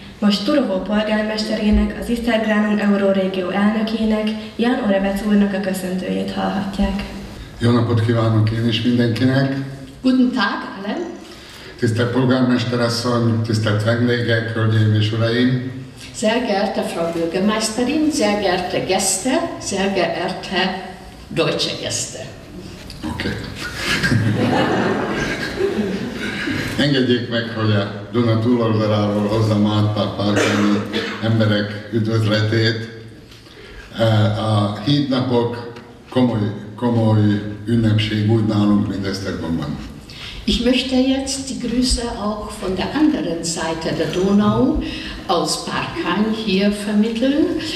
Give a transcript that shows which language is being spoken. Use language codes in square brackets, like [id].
[hu] Most Turovó polgármesterének, az Istergránum Euróregió elnökének, Jan Orevec úrnak a köszöntőjét hallhatják. Jó napot kívánok én is mindenkinek! [de] Guten Tag, Alem! [hu] Tisztelt polgármesteresszony, tisztelt vendégek, hölgyeim és uraim! [de] Sehr geehrte Frau Bürgermeisterin, sehr geehrte Gäste, sehr geehrte deutsche Gäste! Oké. [hu] Engedjék meg, hogy a Duna túloldaláról hozzam át pár emberek üdvözletét. A hídnapok komoly ünnepség úgy nálunk, mint Esztergomban. [de] Ich möchte jetzt die Grüße auch von der anderen Seite der Donau aus Parkheim hier vermitteln.